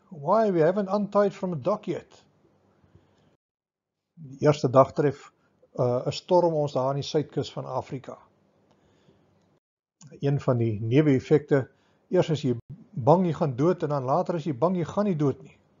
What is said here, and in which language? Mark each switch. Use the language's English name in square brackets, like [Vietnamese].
[English] Why, we haven't untied from the dock yet. [Afrikaans] Die eerste dag tref een storm ons daar aan die suidkus van Afrika. Een van die neeweffekte, eerst is jy bang jy gaan dood en dan later is jy bang jy gaan nie dood nie.